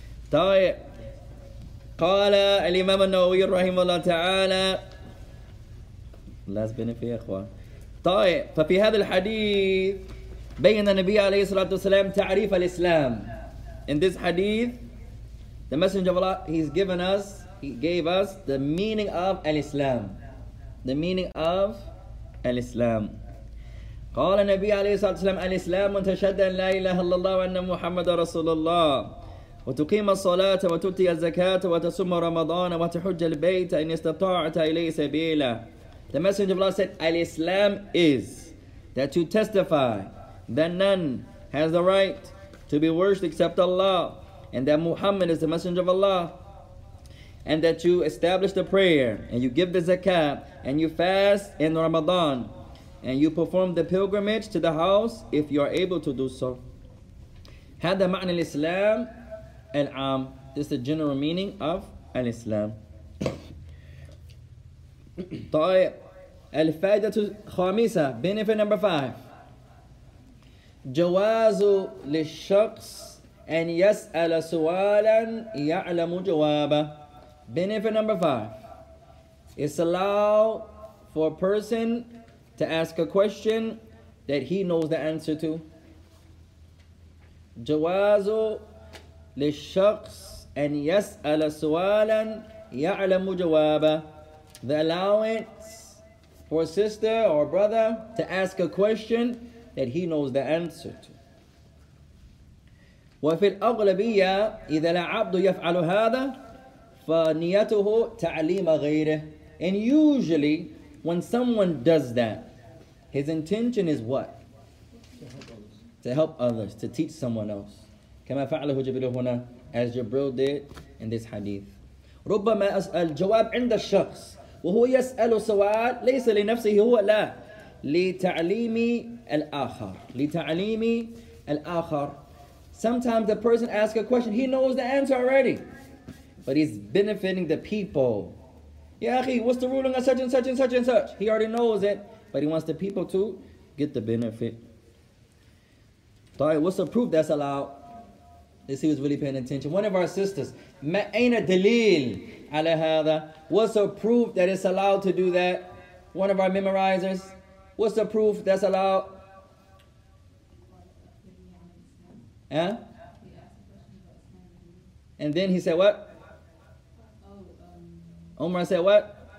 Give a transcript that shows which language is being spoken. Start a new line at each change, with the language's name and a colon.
Arabic: طيب قال الإمام النووي رحمه الله تعالى لازم بنفي يا إخوان. طيب ففي هذا الحديث بين النبي عليه الصلاة والسلام تعريف الإسلام.
English: In this hadith, the Messenger of Allah, he's given us, he gave us the meaning of al-Islam. The meaning of al-Islam.
Arabic: قال النبي عليه الصلاة والسلام الإسلام تشهد أن لا إله إلا الله وأن محمد رسول الله وتقيم الصلاة وتؤتي الزكاة وتصوم رمضان وتحج البيت إن استطعت إليه سبيلا.
English: The Messenger of Allah said al-Islam is that you testify that none has the right to be worshipped except Allah, and that Muhammad is the Messenger of Allah, and that you establish the prayer, and you give the zakat, and you fast in Ramadan, and you perform the pilgrimage to the house if you are able to do so.
Arabic: هذا معنى الإسلام العام.
English: This is the general meaning of al-Islam.
Arabic: طيب الفائدة الخامسة,
English: benefit number 5.
Arabic: جواز للشخص أن يسأل سؤالا يعلم جوابه.
English: Benefit number 5. It's allowed for a person to ask a question that he knows the answer to.
Arabic: جواز للشخص أن يسأل سؤالا يعلم جوابه.
English: The allowance for a sister or brother to ask a question that he knows the answer to.
Arabic: وفي الأغلبية إذا العبد يفعل هذا فنيته تعليم غيره.
English: And usually when someone does that, his intention is what? To help others. To help others, to teach someone else.
Arabic: كما فعله جبريل هنا,
English: as Jibril did in this hadith.
Arabic: ربما الجواب عند الشخص وهو يسأل سؤال ليس لنفسه هو, لا لتعليم الآخر.
English: Sometimes the person asks a question, he knows the answer already, but he's benefiting the people.
Arabic: يا أخي,
English: what's the ruling of such and such and such and such? He already knows it, but he wants the people to get the benefit. طيب, what's the proof that's allowed? This, he was really paying attention. One of our sisters,
Arabic: ما أين دليل على هذا?
English: What's the proof that it's allowed to do that? One of our memorizers, what's the proof that's allowed? Huh? And then he said what? Omar said what?